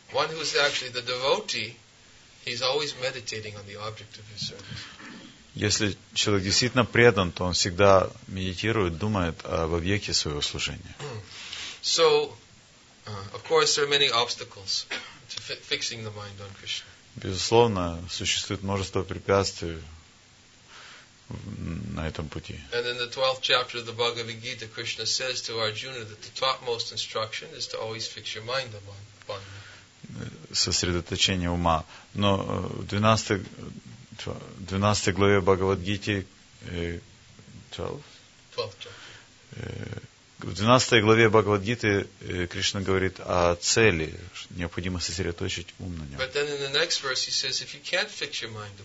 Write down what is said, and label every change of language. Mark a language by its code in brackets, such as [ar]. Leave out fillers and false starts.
[en] One who is actually the devotee, he's always meditating on the object of his service. [ru] Если человек действительно предан, то он всегда медитирует, думает об объекте своего служения. [en] So, of course, there are many obstacles to fixing the mind on Krishna. [ru] Безусловно, существует множество препятствий на этом пути. [en] And in the 12th chapter of the Bhagavad Gita, Krishna says to Arjuna that the topmost instruction is to always fix your mind upon me. [ru] Сосредоточение ума. Но в 12 главе Бхагавад Гите [en] 12th chapter. [ru] В 12 главе Бхагавад-гиты Кришна говорит о цели, необходимо сосредоточить ум на нем.